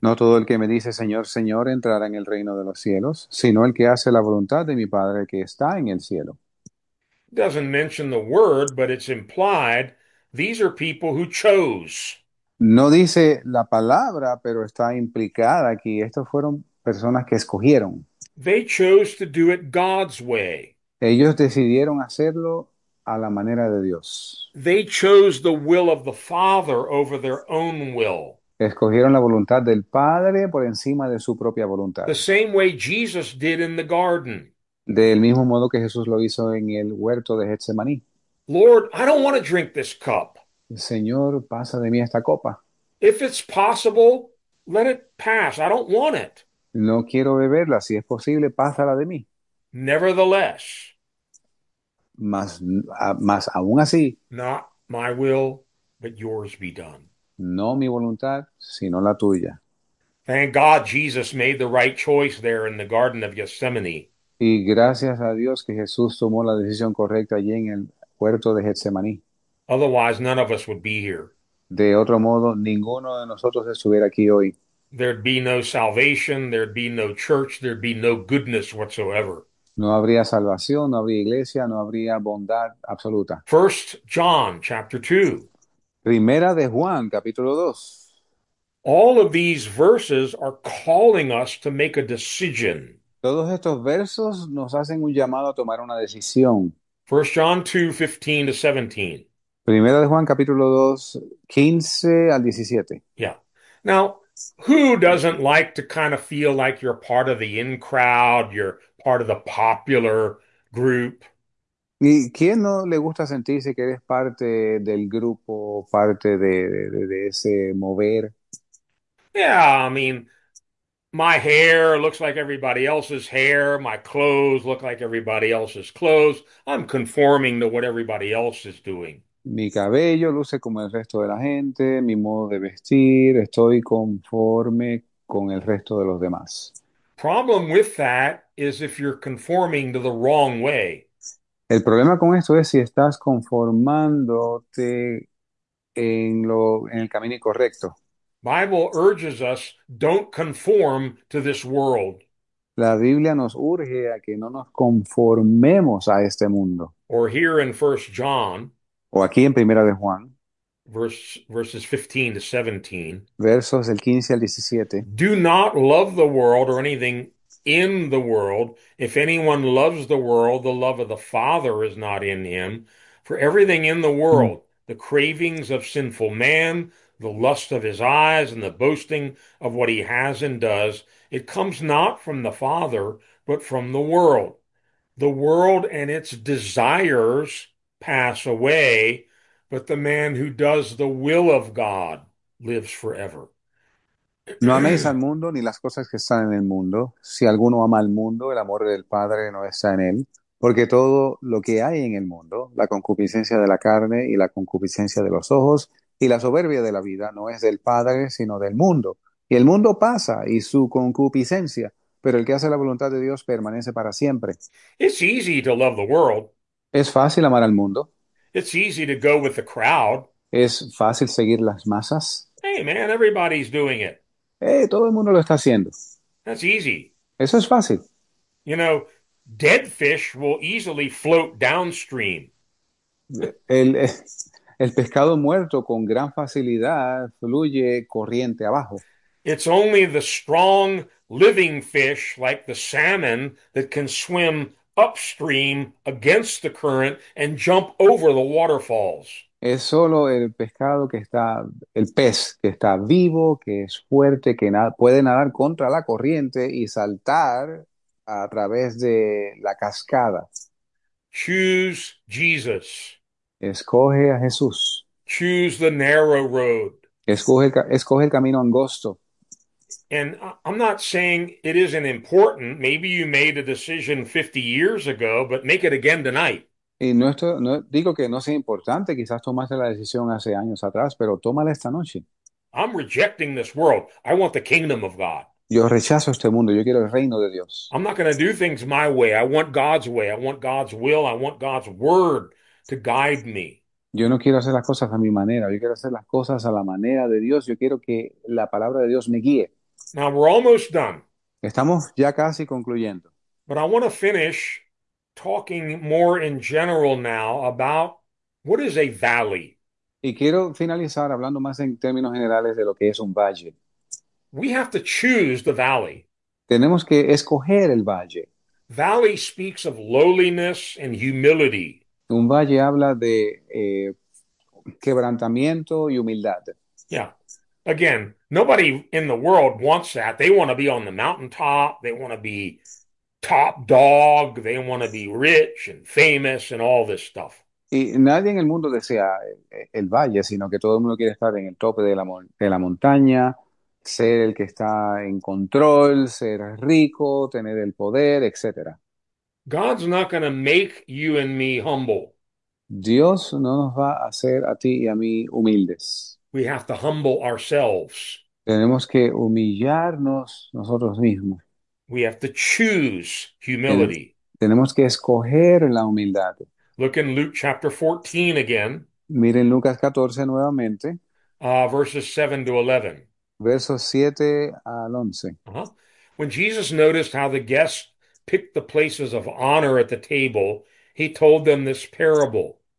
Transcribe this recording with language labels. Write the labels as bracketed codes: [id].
[es] No todo el que me dice Señor, Señor entrará en el reino de los cielos, sino el que hace la voluntad de mi Padre que está en el cielo. [en] It doesn't mention the word, but it's implied these are people who chose. [es] No dice la palabra, pero está implicada aquí. Estos fueron personas que escogieron. [en] They chose to do it God's way. [es] Ellos decidieron hacerlo a la manera de Dios. [en] They chose the will of the Father over their own will. [es] Escogieron la voluntad del Padre por encima de su propia [en] The [es] voluntad. [en] same way Jesus did in the garden. [es] Del mismo modo que Jesús lo hizo en el huerto de Getsemaní. [en] Lord, I don't want to drink this cup. [es] Señor, pasa de mí esta copa. [en] If it's possible, let it pass. I don't want it. [es] No quiero beberla, si es posible, pásala de mí. [en] Nevertheless, [es] Más aún así, [en] not my will, but yours be done. [es] no mi voluntad, sino la tuya. [en] Thank God Jesus made the right choice there in the Garden of Gethsemane. [es] Y gracias a Dios que Jesús tomó la decisión correcta allí en el puerto de Getsemaní. [en] Otherwise, none of us would be here. [es] De otro modo, ninguno de nosotros estuviera aquí hoy. [en] There'd be no salvation, there'd be no church, there'd be no goodness whatsoever. [es] No habría salvación, no habría iglesia, no habría bondad absoluta. [en] 1 John chapter 2. [es] Primera de Juan, capítulo 2. [en] All of these verses are calling us to make a decision. [es] Todos estos versos nos hacen un llamado a tomar una decisión. [en] 1 John 2:15-17. [es] Primera de Juan, capítulo 2, 15 al 17. [en] Now, who doesn't like to kind of feel like you're part of the in crowd, you're part of the popular group? [es] ¿Y quién no le gusta sentirse que eres parte del grupo, parte de ese mover? [en] Yeah, I mean, my hair looks like everybody else's hair. My clothes look like everybody else's clothes. I'm conforming to what everybody else is doing. [es] Mi cabello luce como el resto de la gente, mi modo de vestir, estoy conforme con el resto de los demás. [en] Problem with that is if you're conforming to the wrong way. [es] El problema con esto es si estás conformándote en el camino incorrecto. [en] Bible urges us, don't conform to this world. [es] La Biblia nos urge a que no nos conformemos a este mundo. [en] Or here in 1 John, [es] O aquí en Primera de Juan, [en] verses 15 to 17. [es] versos del 15 al 17. [en] Do not love the world or anything in the world. If anyone loves the world, the love of the Father is not in him. For everything in the world, the cravings of sinful man, the lust of his eyes and the boasting of what he has and does, it comes not from the Father, but from the world. The world and its desires pass away, but the man who does the will of God lives forever. [es] No améis al mundo ni las cosas que están en el mundo. Si alguno ama al mundo, el amor del Padre no está en él, porque todo lo que hay en el mundo, la concupiscencia de la carne y la concupiscencia de los ojos y la soberbia de la vida, no es del Padre, sino del mundo. Y el mundo pasa y su concupiscencia, pero el que hace la voluntad de Dios permanece para siempre. [en] It's easy to love the world. [es] Es fácil amar al mundo. [en] It's easy to go with the crowd. [es] Es fácil seguir las masas. [en] Hey man, everybody's doing it. [es] Todo el mundo lo está haciendo. [en] That's easy. [es] Eso es fácil. [en] You know, dead fish will easily float downstream. [es] El pescado muerto con gran facilidad fluye corriente abajo. [en] It's only the strong living fish like the salmon that can swim upstream against the current and jump over the waterfalls. [es] Es solo el pez que está vivo, que es fuerte, que na puede nadar contra la corriente y saltar a través de la cascada. [en] Choose Jesus. [es] Escoge a Jesús. [en] Choose the narrow road. [es] Escoge el camino angosto. [en] And I'm not saying it isn't important. Maybe you made a decision 50 years ago, but make it again tonight. [es] Y no, estoy, no digo que no sea importante, quizás tomaste la decisión hace años atrás, pero tómala esta noche. [en] I'm rejecting this world. I want the kingdom of God. [es] Yo rechazo este mundo, yo quiero el reino de Dios. [en] I'm not going to do things my way. I want God's way. I want God's will. I want God's word to guide me. [es] Yo no quiero hacer las cosas a mi manera, yo quiero hacer las cosas a la manera de Dios, yo quiero que la palabra de Dios me guíe. [en] Now we're almost done. [es] Estamos ya casi concluyendo. [en] But I want to finish talking more in general now about what is a valley. [es] Y quiero finalizar hablando más en términos generales de lo que es un valle. [en] We have to choose the valley. [es] Tenemos que escoger el valle. [en] Valley speaks of lowliness and humility. [es] Un valle habla de quebrantamiento y humildad. [en] Again, Nobody in the world wants that. They want to be on the mountaintop. They want to be top dog. They want to be rich and famous and all this stuff. [es] Y nadie en el mundo desea el valle, sino que todo el mundo quiere estar en el tope de la montaña, ser el que está en control, ser rico, tener el poder, etc. [en] God's not going to make you and me humble. [es] Dios no nos va a hacer a ti y a mí humildes. [en] We have to humble ourselves. [es] Tenemos que humillarnos nosotros mismos. [en] We have to choose [es] Ten [en] humility. [es] tenemos que escoger la humildad. [en] Look in Luke chapter 14 again, [es] Miren Lucas 14 nuevamente, [en] verses 7 to 11. [es] versos 7 al 11. [en] When Jesus noticed how the guests picked the places of honor at the table, he told them this parable.